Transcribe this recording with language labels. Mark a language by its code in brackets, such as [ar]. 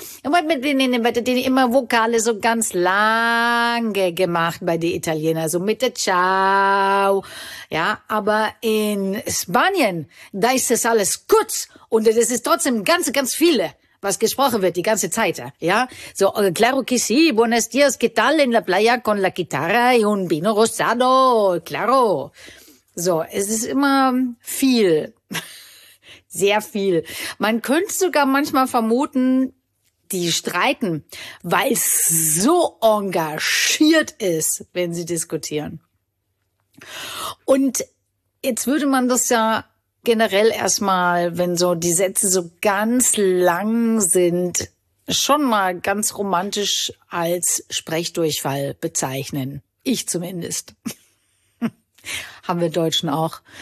[de] Und mit denen immer Vokale so ganz lange gemacht bei den Italienern, so mit der Ciao. Ja, aber in Spanien, da ist das alles kurz und das ist trotzdem ganz, ganz viele, was gesprochen wird die ganze Zeit, ja? [es] So, claro que sí, buenos días, ¿qué tal en la playa con la guitarra y un vino rosado? Claro. [de] So, es ist immer viel, sehr viel. Man könnte sogar manchmal vermuten, die streiten, weil es so engagiert ist, wenn sie diskutieren. Und jetzt würde man das ja generell erstmal, wenn so die Sätze so ganz lang sind, schon mal ganz romantisch als Sprechdurchfall bezeichnen. Ich zumindest. Haben wir Deutschen auch.